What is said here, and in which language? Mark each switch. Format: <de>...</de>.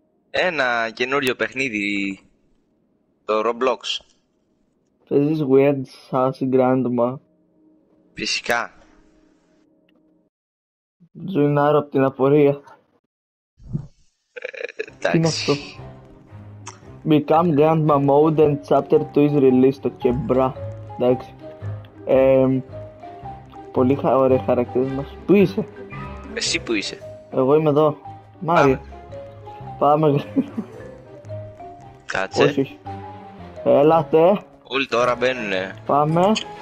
<el>Ένα καινούριο παιχνίδι, το Roblox. Παίζεις Weird Sassy Grandma. Φυσικά. Ζουινάρω από την απορία. Τι είναι Εντάξει. αυτό?</el> <en>Become Grandma Mode and Chapter 2 is released.</en> <el>Okay, μπρα. Εντάξει. Πολύ ωραίοι χαρακτήρες μας. Πού είσαι? Εσύ που είσαι. Εγώ είμαι εδώ. Πάμε. Μάριε. Πάμε. Κάτσε. Όχι. Έλατε. Όλοι τώρα μπαίνουνε. Πάμε.</el>